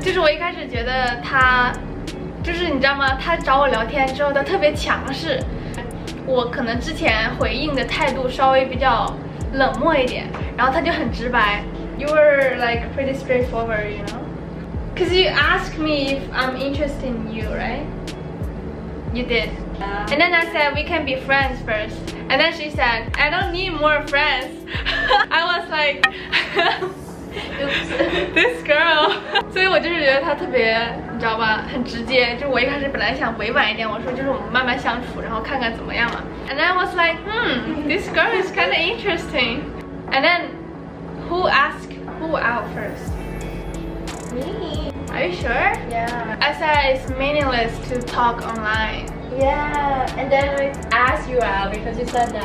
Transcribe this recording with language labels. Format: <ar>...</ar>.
<zh>就是我一开始觉得他，就是你知道吗？他找我聊天之后，他特别强势。我可能之前回应的态度稍微比较冷漠一点，然后他就很直白。</zh> <en>You were like pretty straightforward, you know? Cause you asked me if I'm interested in you, right? You did. And then I said we can be friends first. And then she said I don't need more friends. I was like. This girl，</en> <zh>所以我就是觉得他特别，你知道吧，很直接。就是我一开始本来想委婉一点，我说就是我们慢慢相处，然后看看怎么样嘛。</zh> <en>And then I was like， this girl is kind of interesting。 And then who asked who out first？ Me。 Are you sure？ Yeah。 I said it's meaningless to talk online。 Yeah， and then I asked you out because you said that.</en>